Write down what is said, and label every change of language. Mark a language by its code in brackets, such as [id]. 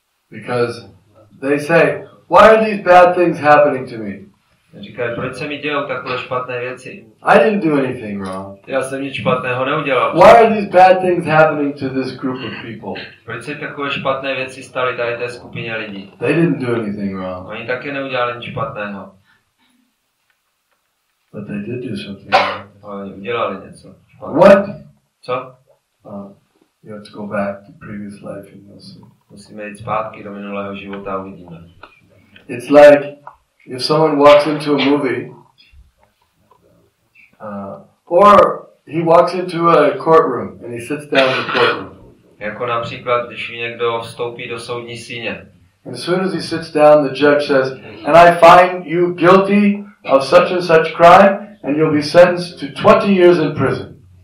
[en] Because they say, why are these bad things happening to me? [cs] Říkají, proč se mi dělou takové špatné věci? [en] I didn't do anything wrong. [cs] Já jsem nic špatného neudělal. [en] Why are these bad things happening to this group of people? [cs] Proč se takové špatné věci staly tady té skupině lidí? [en] They didn't do anything wrong. [cs] Oni také neudělali nic špatného. [en] But they did do something wrong. [cs] Oni udělali něco špatného. [en] What? [cs] Co? [en] You have to go back to previous life and you'll see. [cs] Musíme jít zpátky do minulého života a uvidíme. [en] It's like if someone walks into a movie or he walks into a courtroom and he sits down in the courtroom. [cs] Jako například, když někdo vstoupí do soudní síně. [en] And as soon as he sits down, the judge says, and I find you guilty of such and such crime and you'll be sentenced to 20 years in prison.